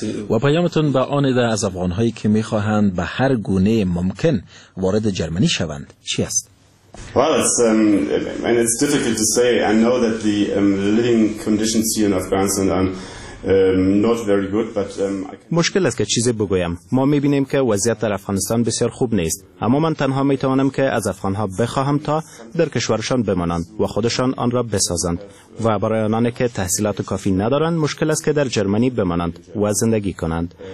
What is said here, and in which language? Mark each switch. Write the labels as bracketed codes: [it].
[fa] و پیامتون به آن ده از افغانهایی که می خواهند به هر گونه ممکن وارد جرمنی شوند چی است؟ [en] Well, it's and it's difficult to say. I know that the living conditions here in Afghanistan are not very good, but [fa] مشکل است که چیزی بگویم. ما میبینیم که وضعیت در افغانستان بسیار خوب نیست. اما من تنها میتوانم که از افغان ها بخواهم تا در کشورشان بمانند و خودشان آن را بسازند. و برای آنانی که تحصیلات کافی ندارند، مشکل است که در جرمنی بمانند و زندگی کنند.